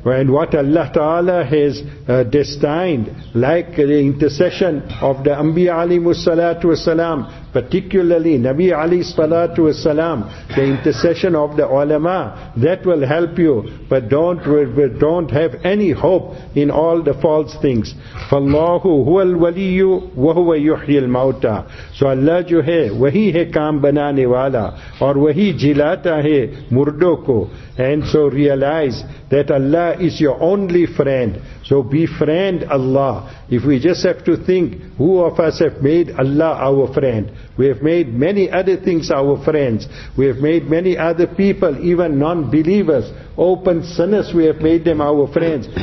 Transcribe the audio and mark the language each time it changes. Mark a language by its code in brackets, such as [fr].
[en] And what Allah Ta'ala has destined, like the intercession of the Anbiya alayhi salatu wasalam, particularly Nabi Ali salatu wasalam, the intercession of the ulama, that will help you. But don't have any hope in all the false things. [ar] فَاللَّهُ هُوَ الْوَلِيُّ وَهُوَ يُحْيِي الْمَوْتَى. [ur] So Allah جو ہے وہی ہے کام بنانے والا اور وہی جلاتا ہے مردوں کو. [en] And so realize that Allah is your only friend. So befriend Allah. If we just have to think, who of us have made Allah our friend? We have made many other things our friends. We have made many other people, even non-believers, open sinners, we have made them our friends.